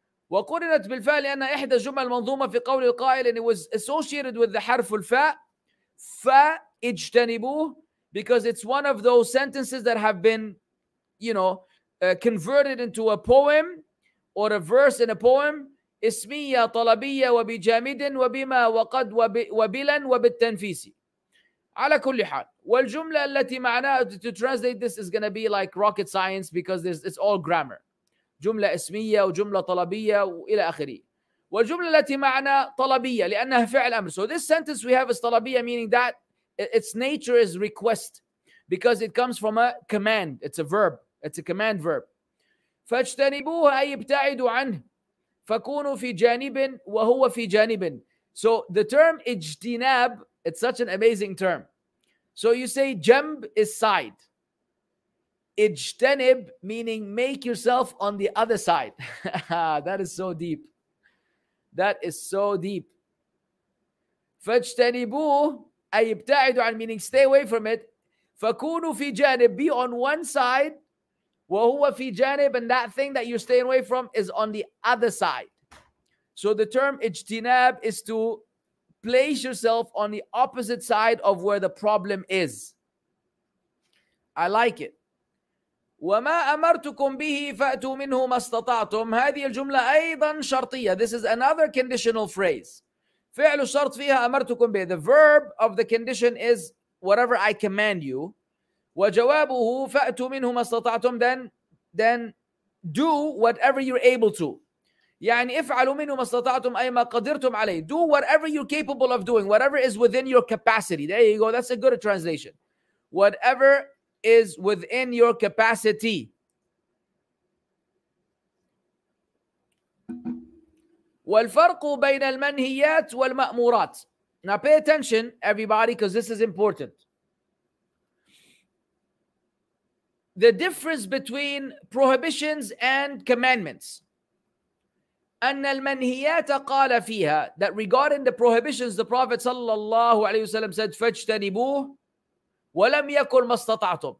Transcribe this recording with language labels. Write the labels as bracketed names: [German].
[Arabic] وقرنت بالفعل أن إحدى جمع المنظومة في قول القائل, [English] and it was associated with the [Arabic] حرف الفاء. فاجتنبوه. [English] Because it's one of those sentences that have been, you know, converted into a poem or a verse in a poem. [Arabic] اسمية طلبية وبجامد وبما وقد وبلا وبالتنفيس. على كل حال. والجملة التي معناها, [English] to translate this is going to be like rocket science because it's all grammar. [Arabic] جملة اسمية وجملة طلبية وإلى آخره. والجملة التي معنى طلبية لأنها فعل أمر. [English] So this sentence we have is طلبية, meaning that its nature is request because it comes from a command. It's a verb. It's a command verb. [Arabic] فاجتنبوه أي ابتعدوا عنه فكونوا في جانب وهو في جانب. [English] So the term اجتناب, it's such an amazing term. So you say جنب is side. اجتنب meaning make yourself on the other side. That is so deep. That is so deep. [Arabic] فاجتنبوه أي ابتعدوا عن, [English] meaning stay away from it. [Arabic] فكونوا في جانب, [English] be on one side. [Arabic] وهو في جانب, [English] and that thing that you're staying away from is on the other side. So the term اجتناب is to place yourself on the opposite side of where the problem is. I like it. [Arabic] وما أمرتكم به فأتوا منه ما استطعتم. هذه الجملة أيضا شرطية. [English] This is another conditional phrase. [Arabic] فعل الشرط فيها أمرتكم به. [English] The verb of the condition is whatever I command you. [Arabic] وجوابه فأتوا منه ما استطعتم. [English] Then do whatever you're able to. [Arabic] يعني افعلوا منه ما استطعتم أي ما قدرتم عليه. [English] Do whatever you're capable of doing. Whatever is within your capacity. There you go. That's a good translation. Whatever is within your capacity. [Arabic] والفرق بين المنهيات والمأمورات. [English] Now pay attention, everybody, because this is important. The difference between prohibitions and commandments. [Arabic] أَنَّ الْمَنْهِيَاتَ قَالَ فِيهَا, [English] that regarding the prohibitions, the Prophet sallallahu alayhi wa sallam said, [Arabic] فَاجْتَنِبُوهُ وَلَمْ يَكُلْ مَسْتَطَعْتُمْ.